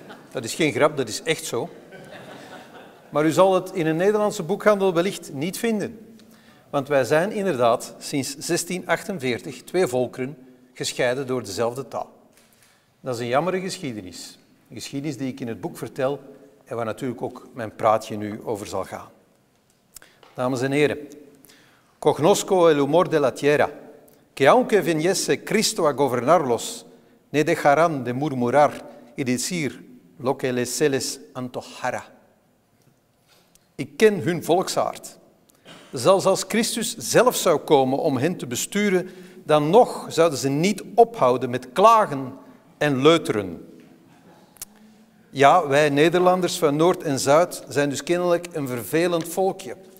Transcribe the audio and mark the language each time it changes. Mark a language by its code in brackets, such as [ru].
[nl] Dat is geen grap, dat is echt zo. Maar u zal het in een Nederlandse boekhandel wellicht niet vinden. Want wij zijn inderdaad sinds 1648 twee volkeren gescheiden door dezelfde taal. Dat is een jammere geschiedenis. Een geschiedenis die ik in het boek vertel en waar natuurlijk ook mijn praatje nu over zal gaan. Dames en heren, [es] cognosco el humor de la tierra, que aunque viniese Cristo a gobernarlos, ne dejarán de murmurar y decir lo que les se les antojara. [nl] Ik ken hun volksaard. Zelfs als Christus zelf zou komen om hen te besturen, dan nog zouden ze niet ophouden met klagen en leuteren. Ja, wij Nederlanders van Noord en Zuid zijn dus kennelijk een vervelend volkje.